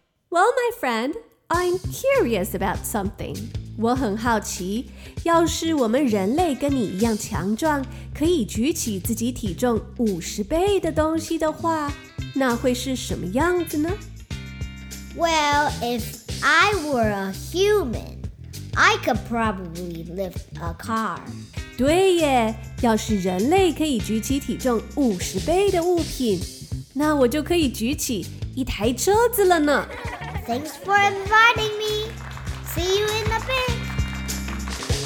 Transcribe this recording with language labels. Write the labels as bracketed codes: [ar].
[en] Well, my friend, I'm curious about something. [zh] 我很好奇，要是我们人类跟你一样强壮，可以举起自己体重50倍的东西的话，那会是什么样子呢？ [en] Well, if I were a human, I could probably lift a car. [zh] 对耶，要是人类可以举起体重50倍的物品，那我就可以举起一台车子了呢。 [en] Thanks for inviting me. See you in a bit.